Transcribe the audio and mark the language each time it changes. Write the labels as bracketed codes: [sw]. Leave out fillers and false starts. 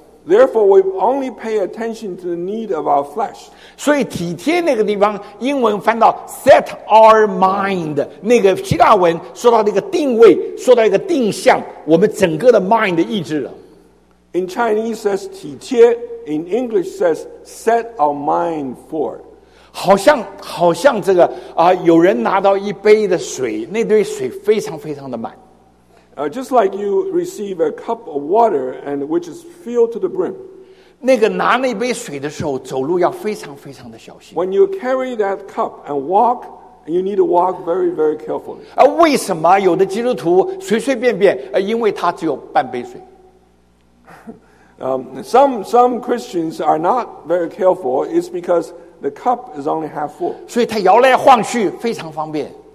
[en] Therefore, we only pay attention to the need of our flesh. [zh] 所以体贴那个地方，英文翻到 [en] set our mind， [zh] 那个希腊文说到那个定位，说到一个定向，我们整个的 mind 的意志了。 [en] In Chinese says 体贴 ，in English says set our mind for. [zh] 好像这个有人拿到一杯的水，那杯水非常非常的满。 [en] Just like you receive a cup of water and which is filled to the brim. [zh] 那个拿那杯水的时候，走路要非常非常的小心。 [en] When you carry that cup and walk, you need to walk very, very carefully. [zh] 为什么有的基督徒随随便便？因为他只有半杯水。 [en] Some Christians are not very careful. It's because the cup is only half full. [zh] 所以他摇来晃去非常方便。